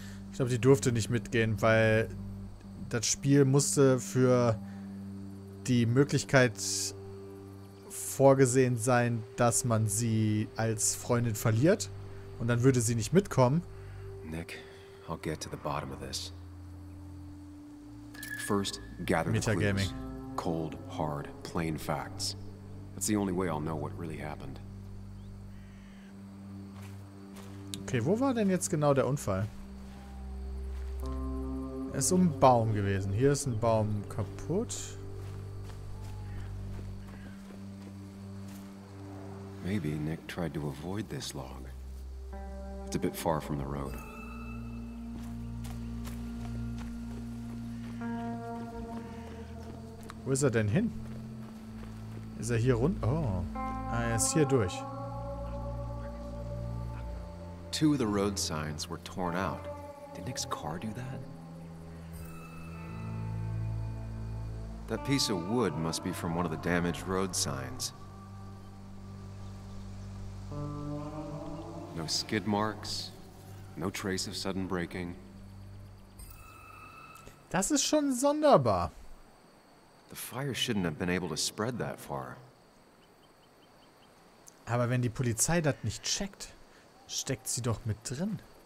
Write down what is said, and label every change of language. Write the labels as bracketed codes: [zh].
[de] Ich glaube, die durfte nicht mitgehen, weil das Spiel musste für die Möglichkeit vorgesehen sein, dass man sie als Freundin verliert und dann würde sie nicht mitkommen. [en] Nick, I'll get to the bottom of this. First, gather the clues. Cold, hard, plain facts. That's the only way I'll know what really happened. [de] Okay, wo war denn jetzt genau der Unfall? Es ist um einen Baum gewesen. Hier ist ein Baum kaputt. [en] Maybe Nick tried to avoid this log. It's a bit far from the road. [de] Wo ist er denn hin? Ist er hier rund? Oh, er ist hier durch. [en] Two of the road signs were torn out. Did Nick's car do that? That piece of wood must be from one of the damaged road signs. No skid marks, no trace of sudden braking. [de] Das ist schon sonderbar. [en] The fire shouldn't have been able to spread that far. [de] Aber wenn die Polizei das nicht checkt, steckt sie doch mit drin.